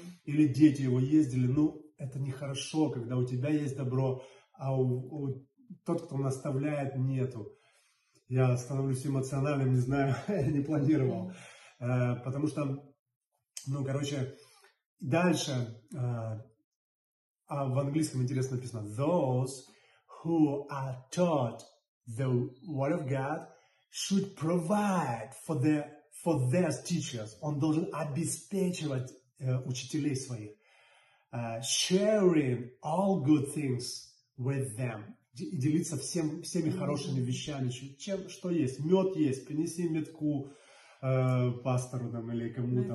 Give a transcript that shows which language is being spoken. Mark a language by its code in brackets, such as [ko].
[ru] Или дети его ездили. Ну, это нехорошо, когда у тебя есть добро, а у тот, кто наставляет, нету. Я становлюсь эмоциональным, не знаю, не планировал. Потому что, ну, короче, дальше. А в английском интересно написано. [en] Those who are taught the word of God should provide for their teachers. [ru] Он должен обеспечивать учителей своих, [en] sharing all good things with them, [ru] делиться всеми хорошими вещами, чем что есть, мед есть, принеси медку пастору там или кому-то.